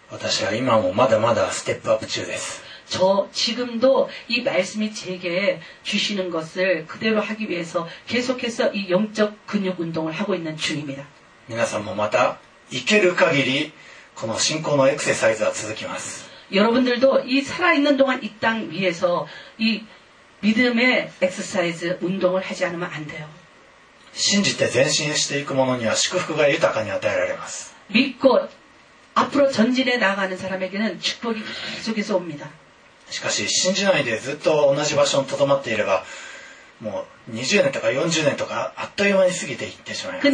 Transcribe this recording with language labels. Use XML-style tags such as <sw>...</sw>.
<ja>私は今もまだまだステップアップ中です</ja> <ko>저지금도이말씀이제게주시는것을그대로하기위해서계속해서이영적근육운동을하고있는중입니다</ko> <ja>皆さんもまた行ける限りこの信仰のエクササイズは続きます</ja> <ko>여러분들도이살아있는동안이땅위에서이 믿음의엑서사이즈운동을하지않으면안돼요</ko> <ja>信じて前進していく者には祝福が豊かに与えられます</ja> <ko>믿고앞으로전진해나가는사람에게는축복이계속해서옵니다</ko> <ja>しかし信じないでずっと同じ場所にとどまっていればもう20年とか40年とかあっという間に過ぎていってしまいます</ja>